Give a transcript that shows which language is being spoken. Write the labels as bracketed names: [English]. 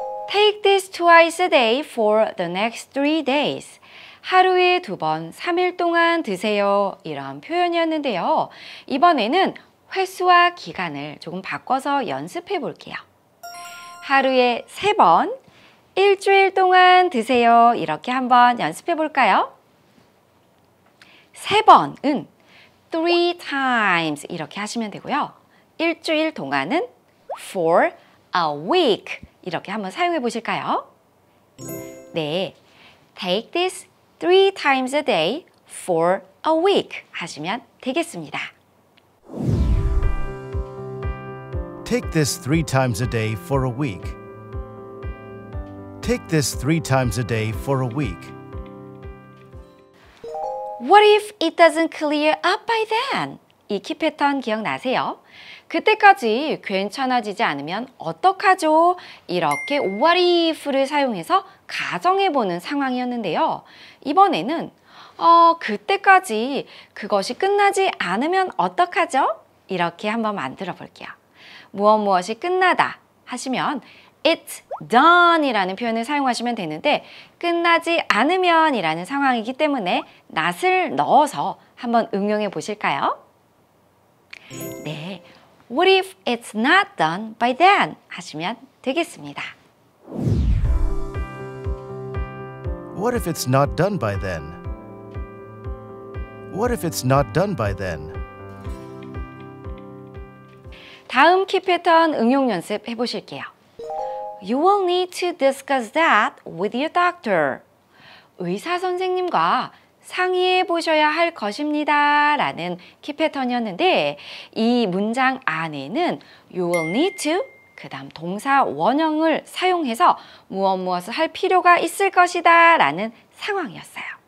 [English] Take this twice a day for the next 3 days. [Korean] 하루에 두 번, 3일 동안 드세요. 이런 표현이었는데요. 이번에는 횟수와 기간을 조금 바꿔서 연습해 볼게요. 하루에 세 번, 일주일 동안 드세요. 이렇게 한번 연습해 볼까요? 세 번은 [English] three times [Korean] 이렇게 하시면 되고요. 일주일 동안은 [English] for a week [Korean] 이렇게 한번 사용해 보실까요? [English] 네, take this three times a day for a week [Korean] 하시면 되겠습니다. [English] Take this three times a day for a week. Take this three times a day for a week. What if it doesn't clear up by then? [Korean] 이 키 패턴 기억나세요? 그때까지 괜찮아지지 않으면 어떡하죠? 이렇게 [English] what if [Korean] 를 사용해서 가정해보는 상황이었는데요. 이번에는 그때까지 그것이 끝나지 않으면 어떡하죠? 이렇게 한번 만들어 볼게요. 무엇무엇이 끝나다 하시면 it done이라는 표현을 사용하시면 되는데 끝나지 않으면이라는 상황이기 때문에 not을 넣어서 한번 응용해 보실까요? [English] 네, what if it's not done by then [Korean] 하시면 되겠습니다. [English] What if it's not done by then? What if it's not done by then? [Korean] 다음 키 패턴 응용 연습 해보실게요. [English] You will need to discuss that with your doctor. [Korean] 의사 선생님과 상의해 보셔야 할 것입니다. 라는 키 패턴이었는데 이 문장 안에는 [English] You will need to [Korean] 그 다음 동사 원형을 사용해서 무엇 무엇을 할 필요가 있을 것이다 라는 상황이었어요.